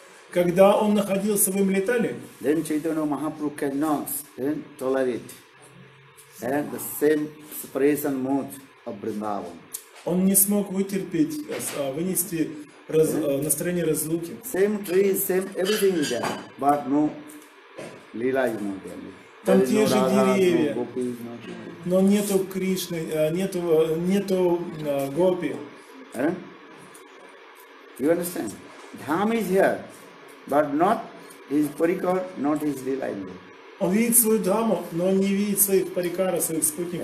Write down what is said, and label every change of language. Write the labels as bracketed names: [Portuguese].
[Russian] Когда он находился в Имлитале, [English] then Chaitanya Mahaprabhu cannot tolerate the same separation mood of Vrindavan. [Russian] Он не смог вытерпеть, вынести настроение разлуки. [English] Same trees, same everything is there, but no lila is not there. [Russian] Там те же деревья, но нету Кришны, нету гопи. [English] You understand? Dham is here. But not his parikar, not his realizing. [Russian] Он видит свою дхаму, но он не видит своих парикара, своих спутников.